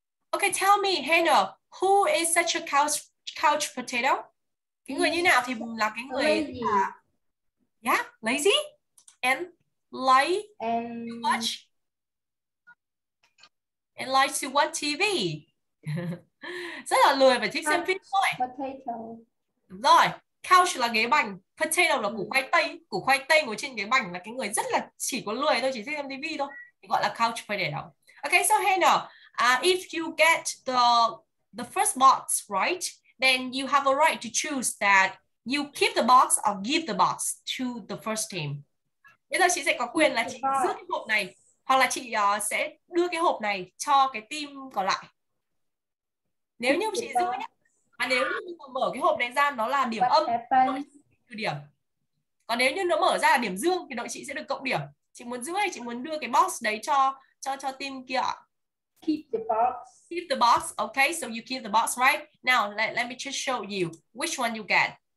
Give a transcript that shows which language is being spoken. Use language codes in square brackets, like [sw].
[en] Okay, tell me, Hannah, who is such a couch potato? [vi] Cái người như nào thì là cái người [en] lazy. Lazy? And like to watch? And like to watch TV? [vi] Rất là lười và thích xem phim thôi. [en] Potato. [vi] Rồi. Couch là ghế bành, potato là củ khoai tây. Củ khoai tây ngồi trên ghế bành là cái người rất là chỉ có lười thôi, chỉ thích xem TV thôi. Thì gọi là couch potato. [en] Okay, so Hannah, if you get the first box right, then you have a right to choose that you keep the box or give the box to the first team. [vi] Bây giờ chị sẽ có quyền là chị giữ cái hộp này hoặc là chị sẽ đưa cái hộp này cho cái team còn lại. Nếu như chị giữ nhé. À, nếu như mà mở cái hộp này ra nó là điểm âm, trừ điểm. Còn nếu như nó mở ra là điểm dương thì đội chị sẽ được cộng điểm. Chị muốn giữ hay chị muốn đưa cái box đấy cho team kia? [en] Keep the box. Keep the box. Okay, so you keep the box, right? Now let me just show you which one you get.